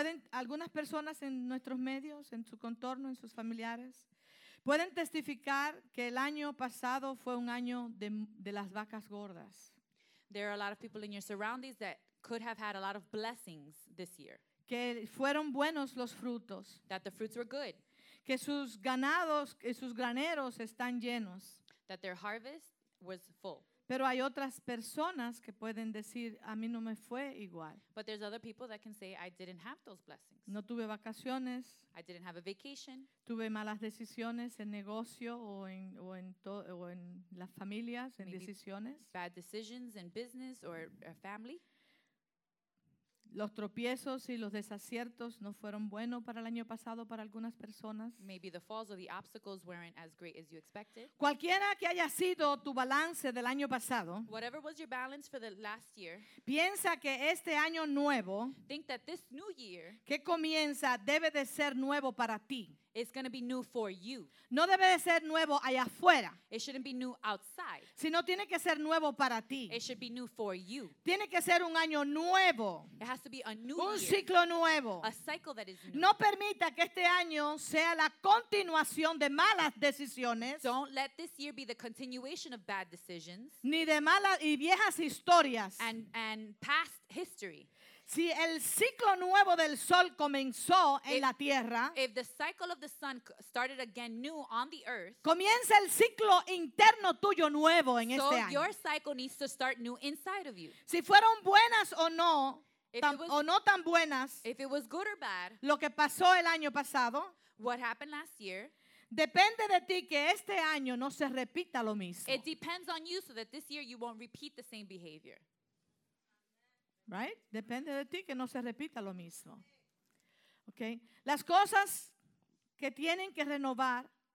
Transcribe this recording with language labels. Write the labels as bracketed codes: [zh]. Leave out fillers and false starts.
[es] Algunas personas en nuestros medios, en su contorno, en sus familiares, pueden testificar que el año pasado fue un año de las vacas gordas. [en] There are a lot of people in your surroundings that could have had a lot of blessings this year. [es] Que fueron buenos los frutos. [en] That the fruits were good. [es] Que sus ganados y sus graneros están llenos. [en] That their harvest was full. [es] Pero hay otras personas que pueden decir, a mí no me fue igual. [en] But there's other people that can say, I didn't have those blessings. [es] No tuve vacaciones. [en] I didn't have a vacation. [es] Tuve malas decisiones en negocio o en las familias, en [en] maybe [es] decisiones. [en] Bad decisions in business or a family. [es] Los tropiezos y los desaciertos no fueron buenos para el año pasado para algunas personas. [en] Maybe the falls or the obstacles weren't as great as you expected. [es] Cualquiera que haya sido tu balance del año pasado, [en] whatever was your balance for the last year, [es] piensa que este año nuevo, [en] think that this new year, [es] que comienza, debe de ser nuevo para ti. [en] It's going to be new for you. [es] No debe de ser nuevo allá afuera. [en] It shouldn't be new outside. [es] Sino tiene que ser nuevo para ti. [en] It should be new for you. [es] Tiene que ser un año nuevo. [en] It has to be a new [es] un [en] year. [es] Un ciclo nuevo. [en] A cycle that is new. [es] No permita que este año sea la continuación de malas decisiones. [en] Don't let this year be the continuation of bad decisions. [es] Ni de malas y viejas historias. [en] And past history. [es] Si el ciclo nuevo del sol comenzó en la tierra, [en] if the cycle of the sun started again new on the earth, [es] comienza el ciclo interno tuyo nuevo en [en] so [es] este año. [en] So your cycle needs to start new inside of you. [es] Si fueron buenas o no, tan buenas, [en] if it was good or bad, [es] lo que pasó el año pasado, [en] what happened last year, [es] depende de ti que este año no se repita lo mismo. [en] It depends on you so that this year you won't repeat the same behavior. Right? [es] Depende de ti que no se repita lo mismo. Okay. Las cosas que tienen que renovar,